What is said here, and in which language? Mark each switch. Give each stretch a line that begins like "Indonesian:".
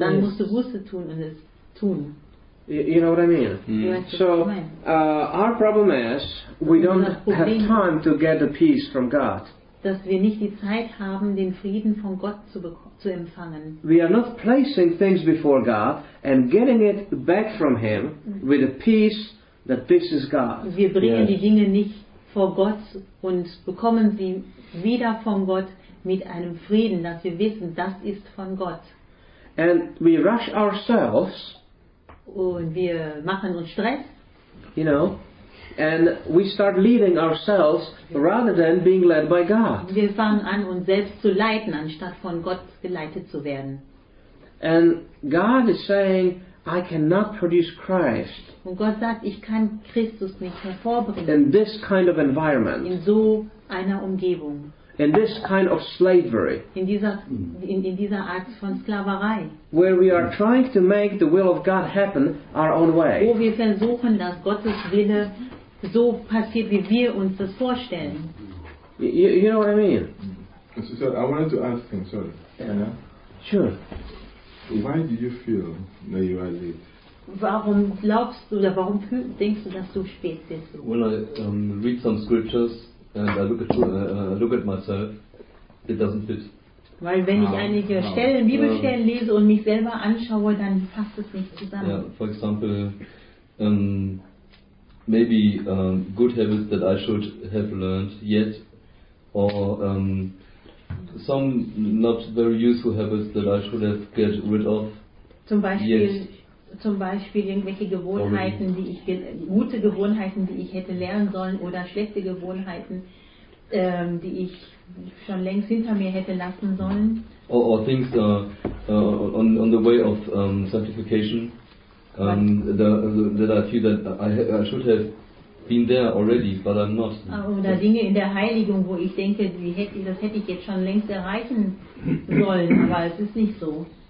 German: Dann musst du Buße tun und es tun.
English: You know what I mean? Mm. So, our problem is, we don't have time to get the peace from God.
German: Dass wir nicht die Zeit haben, den Frieden von Gott zu empfangen.
English: We are not placing things before God and getting it back from Him with a peace that this is God.
German: Wir bringen die Dinge nicht vor Gott und bekommen sie wieder von Gott mit einem Frieden, dass wir wissen, das ist von Gott.
English: And we rush ourselves.
German: Und wir machen uns Stress.
English: You know. And we start leading ourselves rather than being led by God.
German: Wir fangen an, uns selbst zu leiten, anstatt von Gott geleitet zu werden.
English: And God is saying, I cannot produce Christ.
German: Und Gott sagt, ich kann Christus nicht hervorbringen.
English: In this kind of environment.
German: In so einer Umgebung.
English: In this kind of slavery.
German: In dieser Art von Sklaverei.
English: Where we are trying to make the will of God happen our own way.
German: Wo wir versuchen, dass Gottes Wille so passiert, wie wir uns das vorstellen.
English: You know what I mean? I wanted to ask him, sorry. Yeah. Sure. Why do you feel that you are late?
German: Warum glaubst du, oder warum denkst du, dass du spät bist?
English: When I read some scriptures, and I look at myself, it doesn't fit.
German: Weil wenn ich einige Stellen, Bibelstellen lese und mich selber anschaue, dann passt es nicht zusammen.
English: Yeah, for example, maybe good habits that I should have learned yet, or some not very useful habits that I should have get rid of.
German: Zum Beispiel irgendwelche Gewohnheiten, gute Gewohnheiten, die ich hätte lernen sollen, oder schlechte Gewohnheiten, die ich schon längst hinter mir hätte lassen sollen.
English: Or things on the way of sanctification, that I feel that I should have been there already, but I'm not.
German: Oder Dinge in der Heiligung, wo ich denke, das hätte ich jetzt schon längst erreichen sollen, aber es ist nicht so.